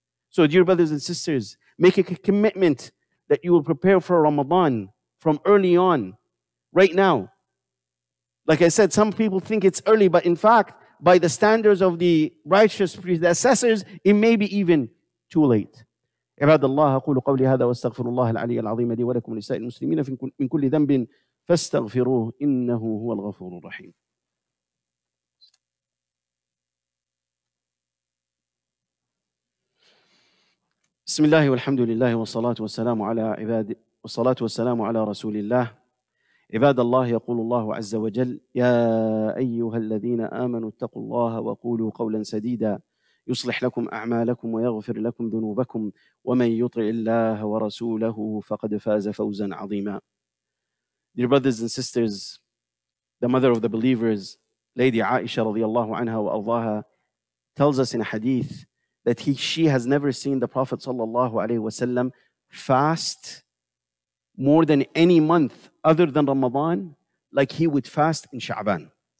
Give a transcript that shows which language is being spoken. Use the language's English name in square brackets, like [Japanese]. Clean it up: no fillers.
[English] So dear brothers and sisters, make a commitment that you will prepare for Ramadan from early on, right now. Like I said, some people think it's early, but in fact, by the standards of the righteous predecessors, it may be even too late. [Arabic] عباد الله أقول قولي هذا واستغفر الله العلي العظيم لي ولكم ولسائر المسلمين من كل ذنب فاستغفروه إنه هو الغفور الرحيم. بسم الله والحمد لله والصلاة والسلام على عباد والصلاة والسلام على رسول الله. عباد الله يقول الله عز وجل يا أيها الذين آمنوا اتقوا الله وقولوا قولا سديدا يصلح لكم أعمالكم ويغفر لكم ذنوبكم ومن يطع الله ورسوله فقد فاز فوزا عظيما. [English] Dear brothers and sisters, the mother of the believers, Lady Aisha [Arabic] رضي الله عنها وأرضاها, [English] tells us in a hadith that she has never seen the Prophet sallallahu alaihi wasallam fast more than any month other than Ramadan, like he would fast in Sha'ban.